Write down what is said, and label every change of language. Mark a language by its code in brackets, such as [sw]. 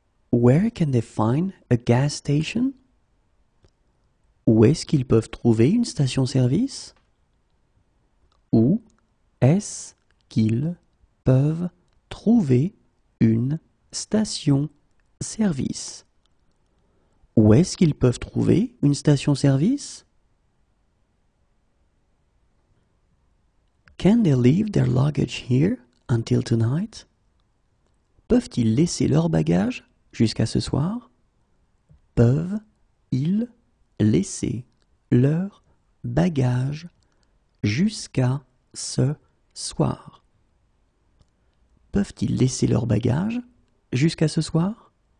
[en] Where can they find a gas station? [fr] Où est-ce qu'ils peuvent trouver une station-service? Où est-ce qu'ils peuvent trouver une station-service? Où est-ce qu'ils peuvent trouver une station-service? [en] Can they leave their luggage here until tonight? [fr] Peuvent-ils laisser leurs bagages jusqu'à ce soir? Peuvent-ils laisser leurs bagages jusqu'à ce soir? Peuvent-ils laisser leurs bagages jusqu'à ce soir?